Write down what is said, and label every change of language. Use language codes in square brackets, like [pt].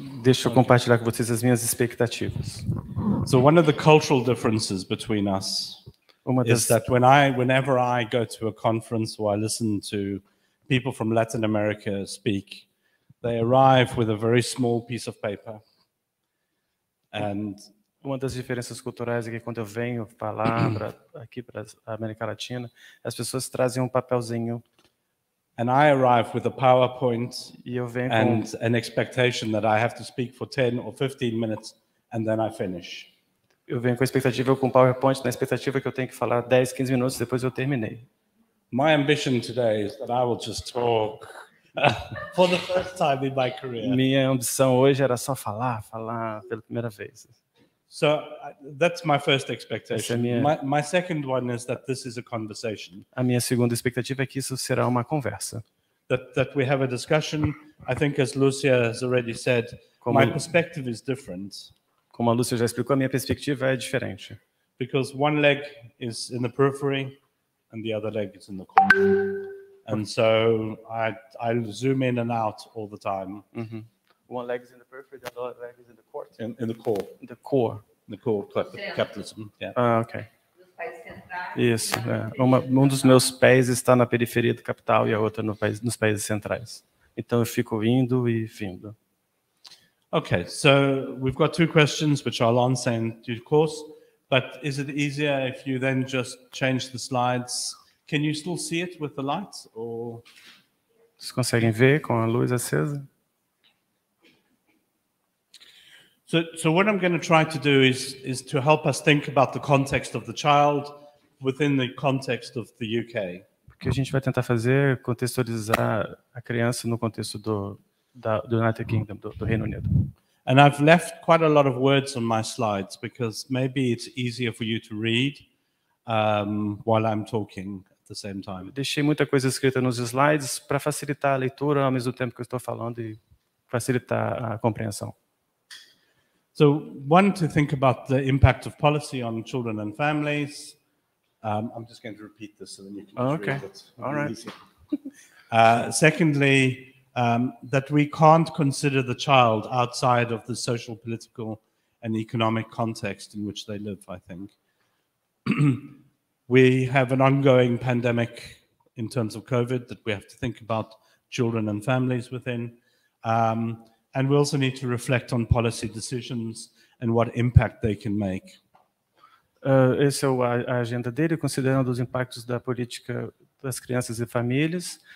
[pt] Deixa eu compartilhar com vocês as minhas expectativas. [en] So one of the cultural differences between us is that whenever I go to a conference or I listen to people from Latin America speak, they arrive with a very small piece of paper. And [pt] uma das diferenças culturais é que quando eu venho falar aqui para a América Latina, as pessoas trazem um papelzinho. [en] And I arrive with a PowerPoint [pt] e eu venho [en] and [pt] com... [en] an expectation that I have to speak for 10 or 15 minutes and then I finish. [pt] Eu venho com a expectativa, com o PowerPoint, na expectativa que eu tenho que falar 10, 15 minutos, depois eu terminei. [en] My ambition today is that I will just talk for the first time in my career. [pt] Minha ambição hoje era só falar pela primeira vez. [en] So, that's my first expectation. [pt] Essa é minha... [en] My second one is that this is a conversation. [pt] A minha segunda expectativa é que isso será uma conversa. [en] That we have a discussion. I think, as Lucia has already said, como... my perspective is different. [pt] Como a Lúcia já explicou, a minha perspectiva é diferente. [en] Because one leg is in the periphery and the other leg is in the core. And so I zoom in and out all the time. Mm-hmm. One leg is in the periphery, the other leg is in the core. In the core. In the core. In the core capitalism. Yeah. [pt] Ah, ok. Isso. É. Um dos meus pés está na periferia do capital e a outra nos países centrais. Então eu fico indo e vindo. [en] Okay, so we've got two questions, which I'll answer in due course. But is it easier if you then just change the slides? Can you still see it with the lights? Or... [pt] Vocês conseguem ver com a luz acesa? [en] So what I'm going to try to do is to help us think about the context of the child within the context of the UK. [pt] O que a gente vai tentar fazer é contextualizar a criança no contexto do United Kingdom, do Reino Unido. [en] And I've left quite a lot of words on my slides because maybe it's easier for you to read while I'm talking at the same time. [pt] Deixei muita coisa escrita nos slides para facilitar a leitura ao mesmo tempo que eu estou falando e facilitar a compreensão. [en] So, one, to think about the impact of policy on children and families. I'm just going to repeat this so then you can okay. Read it. All right. Secondly, that we can't consider the child outside of the social, political, and economic context in which they live, I think. We have an ongoing pandemic in terms of COVID that we have to think about children and families within. And we also need to reflect on policy decisions and what impact they can make. [pt] Essa é a agenda dele, considerando os impactos da política das crianças e famílias.